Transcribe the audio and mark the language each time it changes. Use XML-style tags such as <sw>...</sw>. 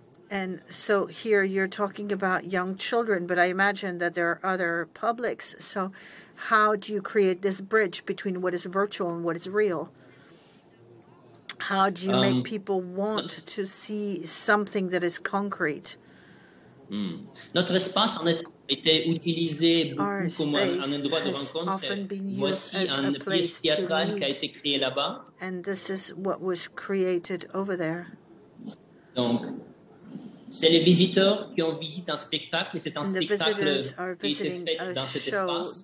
<en>And so here you're talking about young children, but I imagine that there are other publics. So how do you create this bridge between what is virtual and what is real? How do you make people want to see something that is concrete?</en> <fr>Notre espace en était utilisé beaucoup comme un endroit de rencontre. Voici un pièce théâtral qui a été créé là-bas.</fr> <en>And this is what was created over there.</en> <fr>Donc, c'est les visiteurs qui ont visité un spectacle, et c'est un spectacle qui a été fait dans cet espace.</fr>